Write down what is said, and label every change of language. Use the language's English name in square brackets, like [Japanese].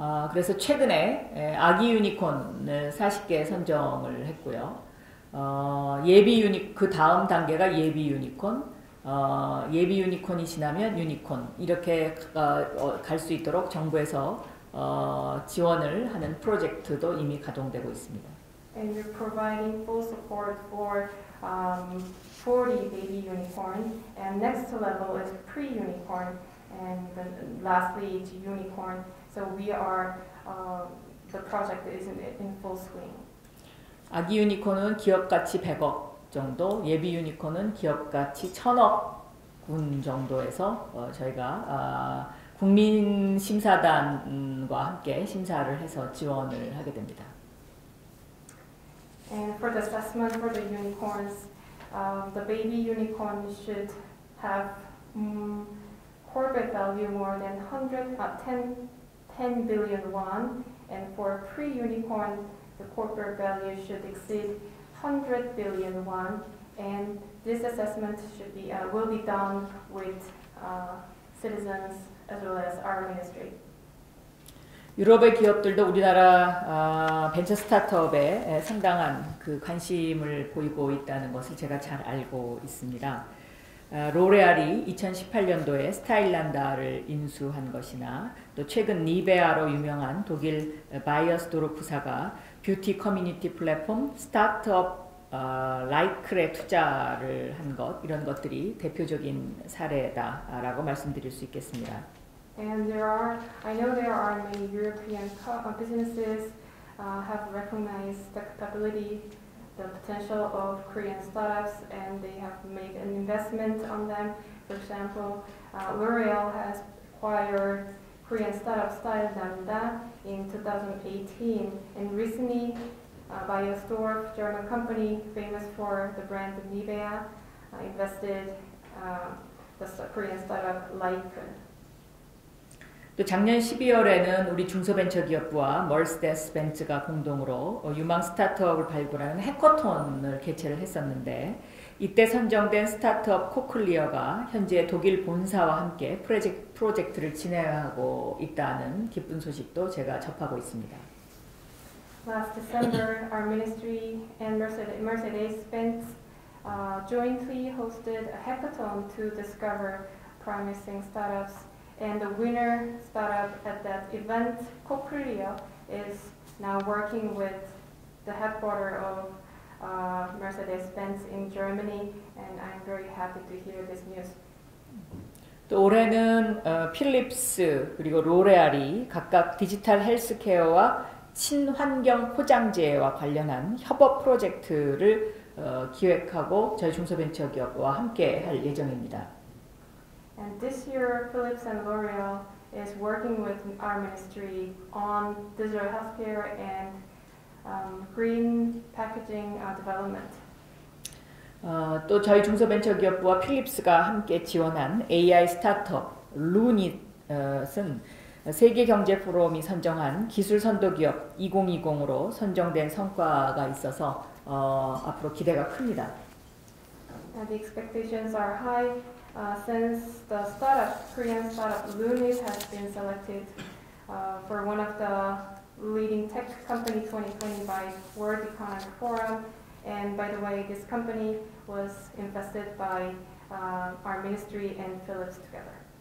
[Korean] 그래서 최근에 아기 유니콘을 40개 선정을 했고요. 그 다음 단계가 예비 유니콘. 예비 유니콘이 지나면 유니콘 이렇게 갈수 있도록 정부에서 지원을 하는 프로젝트도 이미 가동되고 있습니다. [English] And we're providing full support for 40 baby unicorn, and next level is pre-unicorn, and lastly it's unicorn. So we are the project is in full swing. [Korean] 아기 유니콘은 기업 가치 100억 정도, 예비 유니콘은 기업 가치 1000억 정도에서 저희가 국민 심사단과 함께 심사를 해서 지원을 하게 됩니다. [English] And for the specimen for the unicorns, the baby unicorn should have corporate value more than 10 billion won. And for pre-unicorn, the corporate value should exceed 100 billion won. And this assessment should be will be done with citizens as well as our ministry. [Korean] 유럽의 기업들도 우리나라 벤처 스타트업에 상당한 그 관심을 보이고 있다는 것을 제가 잘 알고 있습니다. 로레알이 2018년도에 스타일란다를 인수한 것이나 또 최근 니베아로 유명한 독일 바이어스도르프사가 뷰티 커뮤니티 플랫폼 스타트업 라이클에 투자를 한 것, 이런 것들이 대표적인 사례다라고 말씀드릴 수 있겠습니다. [English] And I know there are many European businesses have recognized the capability, the potential of Korean startups, and they have made an investment on them. For example, L'Oréal has acquired Korean startup Stylenanda in 2018, and recently, Beiersdorf, German company famous for the brand Nivea, I invested the Korean startup Lycon. [Korean] 또 작년 12월에는 우리 중소벤처기업부와 머세데스-벤츠가 공동으로 유망 스타트업을 발굴하는 해커톤을 개최를 했었는데 이때 선정된 스타트업 코클리어가 현재 독일 본사와 함께 프로젝트를 진행하고 있다는 기쁜 소식도 제가 접하고 있습니다. [English] Last December, our ministry and Mercedes-Benz jointly hosted a hackathon to discover promising startups. And the winner startup at that event, Coclear, is now working with the headquarters of Mercedes-Benz in Germany, and I'm very happy to hear this news. [Korean] 또 올해는 필립스 그리고 로레알이 각각 디지털 헬스케어와 친환경 포장재와 관련한 협업 프로젝트를 기획하고 저희 중소벤처기업과 함께 할 예정입니다. [English] And this year, Philips and L'Oreal is working with our ministry on digital healthcare and green packaging development. [Korean] 또 저희 중소벤처기업부와 필립스가 함께 지원한 AI 스타트업 루닛은 세계 경제 포럼이 선정한 기술 선도기업 2020으로 선정된 성과가 있어서 앞으로 기대가 큽니다. [English] And the expectations are high. Since the startup, Korean startup Lunit has been selected for one of the leading tech company 2020 by World Economic Forum. And by the way, this company was invested by our ministry and Philips together.